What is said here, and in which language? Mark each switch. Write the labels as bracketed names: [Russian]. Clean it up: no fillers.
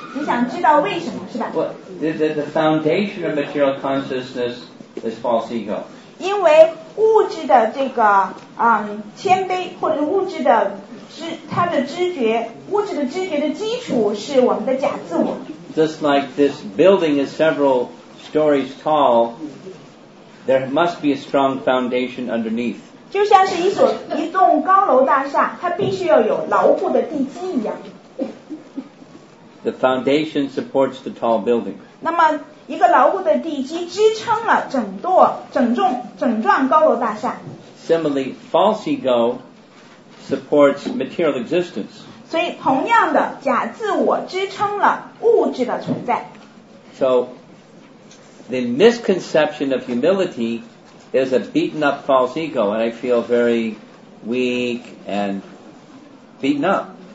[Chinese] 你想知道为什么，是吧？ [English] Well, the foundation of material consciousness is false ego. [Chinese] 因为物质的这个谦卑或者是物质的它的知觉物质的知觉的基础是我们的假自我 [English] Just like this building is several stories tall there must be a strong foundation underneath [Chinese] 就像是一栋高楼大厦它必须要有牢固的地基一样 [English] The foundation supports the tall building [Chinese] 那么一个牢固的地基支撑了整幢高楼大厦。 [English] Similarly, false ego supports material existence. [Chinese] 所以同样的，假自我支撑了物质的存在。 [English] So, the misconception of humility is a beaten up false ego, and I feel very weak and beaten up.